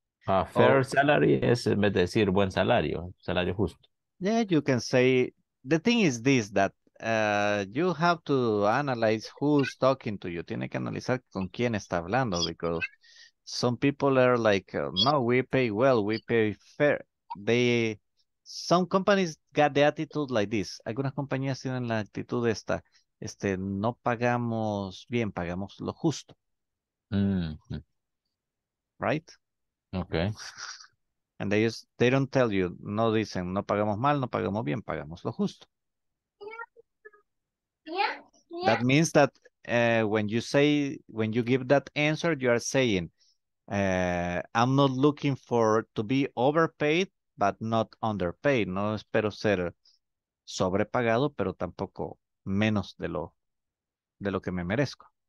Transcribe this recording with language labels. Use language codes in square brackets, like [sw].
[en] A fair salary [es] es, en vez de decir buen salario, salario justo. [en] Yeah, you can say, the thing is this, that you have to analyze who's talking to you. [es] Tiene que analizar con quién está hablando, [en] because some people are like, no, we pay well, we pay fair. Some companies got the attitude like this. [es] Algunas compañías tienen la actitud esta, no pagamos bien, pagamos lo justo. Mm-hmm. [en] Right? Okay. And they don't tell you, [es] no dicen, no pagamos mal, no pagamos bien, pagamos lo justo. [en] Yeah. That means that when you give that answer, you are saying, I'm not looking for to be overpaid, but not underpaid. [es] No espero ser sobrepagado, pero tampoco menos de lo que me merezco.